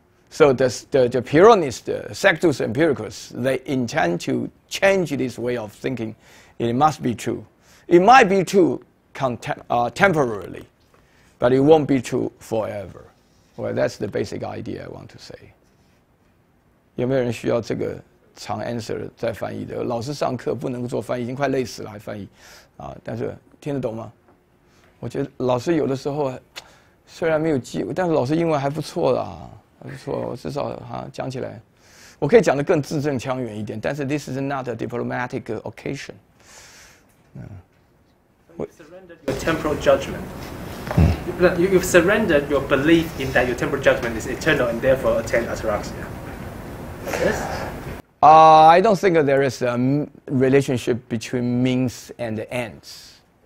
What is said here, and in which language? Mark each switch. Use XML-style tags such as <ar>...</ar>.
<en>So the Pyrrhonists, the Sectus Empiricus, they intend to change this way of thinking. It must be true. It might be true temporarily, but it won't be true forever. Well, that's the basic idea I want to say.</en> <zh>有没有人需要这个长 answer 再翻译的？老师上课不能做翻译，已经快累死了还翻译，啊！但是听得懂吗？我觉得老师有的时候虽然没有机会，但是老师英文还不错的啊，还不错。我至少哈、啊、讲起来，我可以讲得更字正腔圆一点。</zh> <en>但是 this is not a diplomatic occasion. 嗯。 Surrender your temporal judgment. You've surrendered your belief in that your temporal judgment is eternal and therefore attain ataraxia. Yes? I don't think there is a relationship between means and ends.</en>